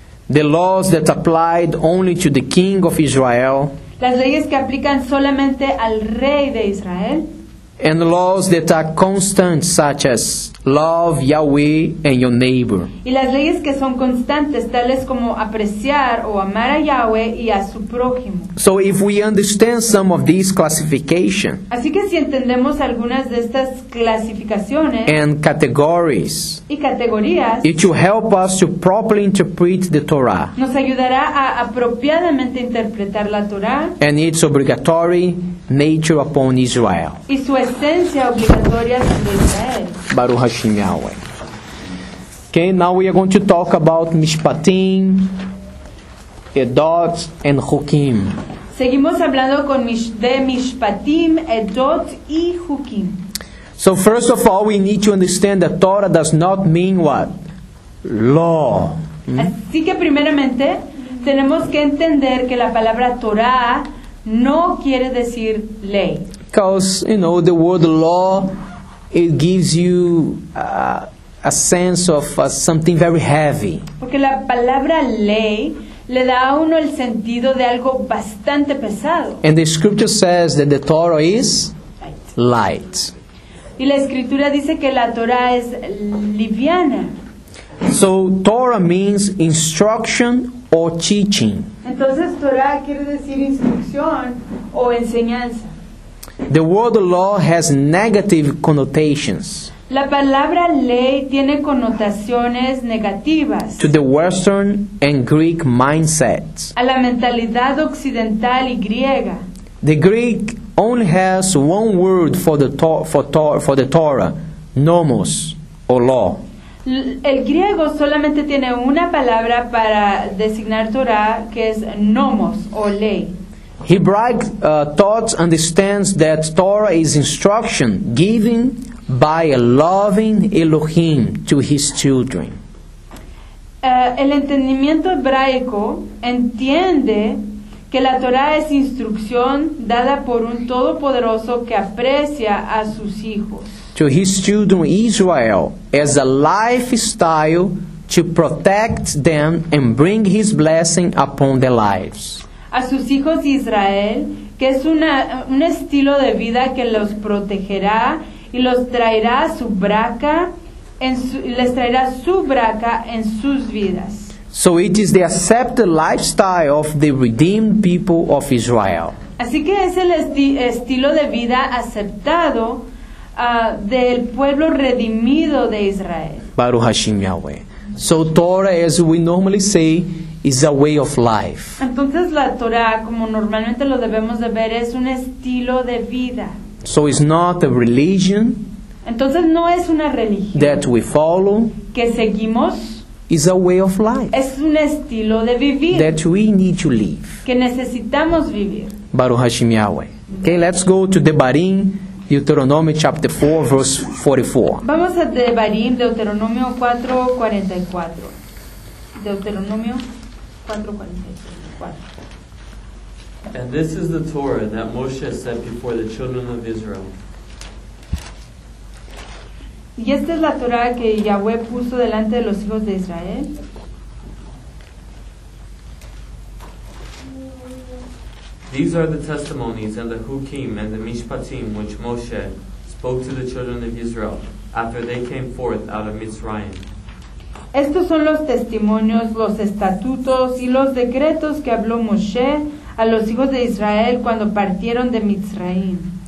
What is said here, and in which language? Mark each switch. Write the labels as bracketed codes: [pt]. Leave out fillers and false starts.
[en] The laws that applied only to the king of Israel. [es] Las leyes que aplican solamente al rey de Israel. [en] And laws that are constant, such as love Yahweh and your neighbor. [es] Y las leyes que son constantes, tales como apreciar o amar a Yahweh y a su prójimo. [en] So if we understand some of these classifications. [es] Así que si entendemos algunas de estas clasificaciones. [en] And categories. [es] Y categorías. [en] It will help us to properly interpret the Torah. [es] Nos ayudará a apropiadamente interpretar la Torah. [en] And its obligatory nature upon Israel. [es] Y su esencia obligatoria sobre Israel. [he] Baruch Hashem Yahweh. [en] Okay, now we are going to talk about Mishpatim, Edot, and Hukim. [es] Seguimos hablando con de Mishpatim, Edot, y Hukim. [en] So first of all, we need to understand that Torah does not mean what? Law. [es] Así que primeramente, tenemos que entender que la palabra Torah no quiere decir ley. [en] Because, you know, the word law, it gives you a sense of something very heavy. [es] Porque la palabra ley le da a uno el sentido de algo bastante pesado. [en] And the scripture says that the Torah is light. [es] Y la escritura dice que la Torah es liviana. [en] So Torah means instruction or teaching. [es] Entonces Torah quiere decir instrucción o enseñanza. [en] The word law has negative connotations. [es] La palabra ley tiene connotaciones negativas. [en] To the Western and Greek mindset. [es] A la mentalidad occidental y griega. [en] The Greek only has one word for the Torah, nomos, or law. [es] El griego solamente tiene una palabra para designar Torah, que es nomos, o ley. [en] Hebraic thought understands that Torah is instruction given by a loving Elohim to his children. [es] El entendimiento hebraico entiende que la Torá es instrucción dada por un todopoderoso que aprecia a sus hijos. [en] To his children Israel as a lifestyle to protect them and bring his blessing upon their lives. [es] A sus hijos Israel, que es un estilo de vida que los protegerá y los traerá su braca en les traerá su braca en sus vidas. [en] So it is the accepted lifestyle of the redeemed people of Israel. [es] Así que es el estilo de vida aceptado del pueblo redimido de Israel. [he] Baruch Hashem Yahweh. [en] So Torah, as we normally say, is a way of life. [es] Entonces la Torah, como normalmente lo debemos de ver, es un estilo de vida. [en] So it's not a religion. [es] Entonces no es una religión. [en] That we follow. [es] Que seguimos. [en] Is a way of life. [es] Es un estilo de vivir. [en] That we need to live. [es] Que necesitamos vivir. [he] Baruch Hashem Yahweh. [en] Okay, let's go to Devarim, Deuteronomy chapter 4, verse 44. [es] Vamos a Devarim, Deuteronomio 4, 44. Deuteronomio 4, 44. [en] And this is the Torah that Moshe set before the children of Israel. [es] Y esta es la Torá que Yahweh puso delante de los hijos de Israel. [en] These are the testimonies and the hukim and the mishpatim which Moshe spoke to the children of Israel after they came forth out of Mitzrayim. [es] Estos son los testimonios, los estatutos y los decretos que habló Moshe a los hijos de Israel cuando partieron de Mitzrayim.